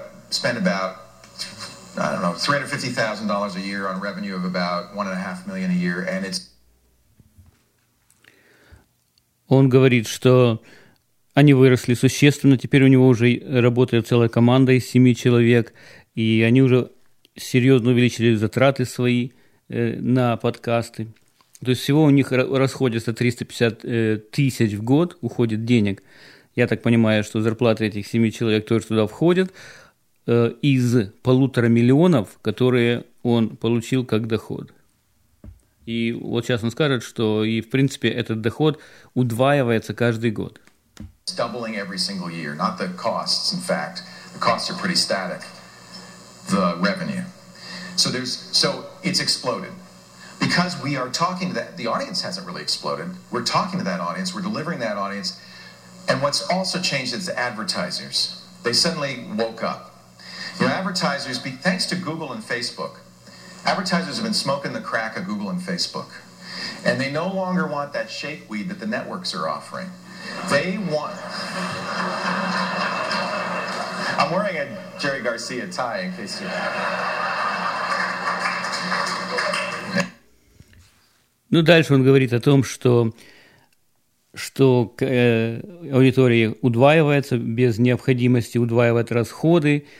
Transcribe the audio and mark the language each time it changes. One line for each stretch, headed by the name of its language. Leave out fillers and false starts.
English: Spend about, I don't know, $350,000 a year on revenue of about $1.5 million a year, and it's...
Russian: Он говорит, что они выросли существенно, теперь у него уже работает целая команда из 7 человек, и они уже серьезно увеличили затраты свои на подкасты. То есть всего у них расходится 350 тысяч в год, уходит денег. Я так понимаю, что зарплаты этих 7 человек тоже туда входят, из 1.5 миллионов, которые он получил как доход. И вот сейчас он скажет, что и в принципе этот доход удваивается каждый год.
English: It's doubling every single year, not the costs, in fact. The costs are pretty static, the revenue. So it's exploded. Because we are talking to that, the audience hasn't really exploded. We're talking to that audience, we're delivering that audience. And what's also changed is the advertisers. They suddenly woke up. Your advertisers, thanks to Google and Facebook, advertisers have been smoking the crack of Google and Facebook. And they no longer want that shake weed that the networks are offering. They want... I'm wearing a Jerry Garcia tie in case you...
Russian: Ну, дальше он говорит о том, что аудитория удваивается без необходимости удваивать расходы.